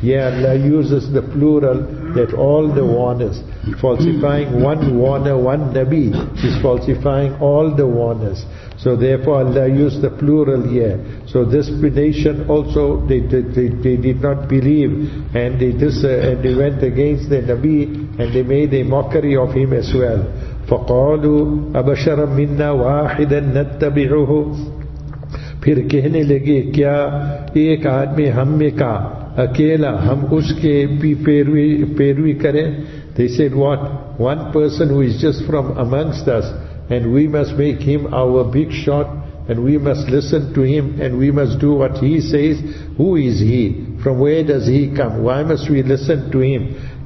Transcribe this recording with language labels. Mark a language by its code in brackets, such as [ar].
[en] Yeah, Allah uses the plural, that all the warners, falsifying one warner, one Nabi, is falsifying all the warners. So therefore Allah used the plural here. So this nation also, they did not believe, and they went against the Nabi, and they made a mockery of him as well. [ar] فَقَالُوا أَبَشَرًا مِنَّا وَاحِدًا نَتَّبِعُهُ, [ur] پھر کہنے لگے کیا ایک آدمی ہم میں کا اکیلا ہم اس کے پیروی کریں. [en] They said, what, one person who is just from amongst us, and we must make him our big shot, and we must listen to him, and we must do what he says. Who is he? From where does he come? Why must we listen to him?